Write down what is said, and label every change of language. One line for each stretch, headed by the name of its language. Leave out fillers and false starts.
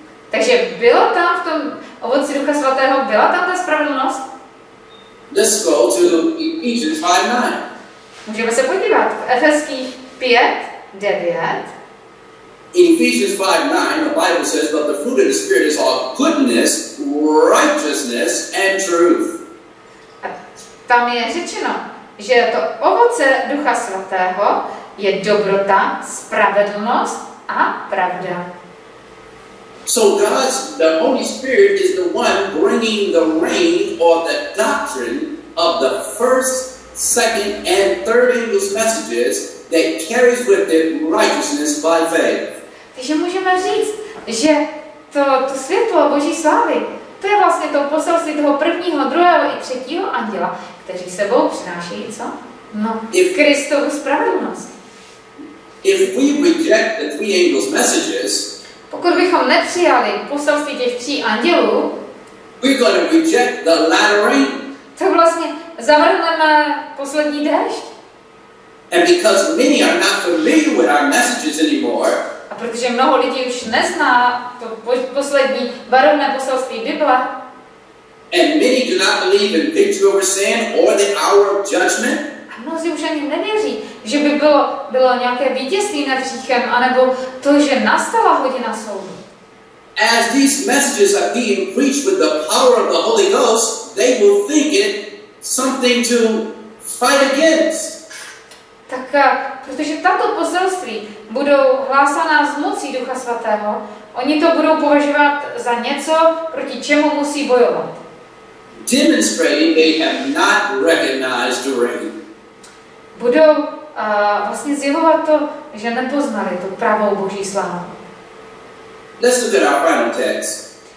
Czech: Takže bylo tam v tom ovoci Ducha Svatého, byla tam ta spravedlnost?
English: Let's go to Ephesians 5:9.
Czech: Můžeme se podívat v Efeských 5:9.
English: In Ephesians 5:9, the Bible says, "But the fruit of the Spirit is all goodness, righteousness, and truth."
Czech: A tam je řečeno, že to ovoce Ducha Svatého je dobrota, spravedlnost a pravda.
English: So God's, the Holy Spirit is the one bringing the reign or the doctrine of the first, second, and third angel's messages that carries with it righteousness by faith.
Czech: Takže můžeme říct, že to světlo Boží slávy, to je vlastně to poselství toho prvního, druhého i třetího anděla, kteří sebou přináší, co? No, Kristovu spravedlnost.
English: If we reject the three angels' messages,
Czech: pokud bychom nepřijali poselství těch tří andělů,
English: we're going to reject the latter rain,
Czech: to vlastně zavrhneme poslední déšť.
English: And because many are not familiar with our messages anymore,
Czech: protože mnoho lidí už nezná to poslední varovné poselství Bible.
English: And many do not believe in victory over sin or the hour of judgment.
Czech: A mnozí už ani nevěří, že by bylo nějaké vítězství nad hříchem, anebo to, že nastala hodina soudu.
English: As these messages are being preached with the power of the Holy Ghost, they will think it something to fight against.
Czech: Tak, protože tato poselství budou hlásaná z mocí Ducha Svatého, oni to budou považovat za něco, proti čemu musí bojovat.
English: Demonstrating they have not recognized the ring.
Czech: Budou vlastně zjevovat to, že nepoznali tu pravou Boží slávu.
English: Let's look at our final text.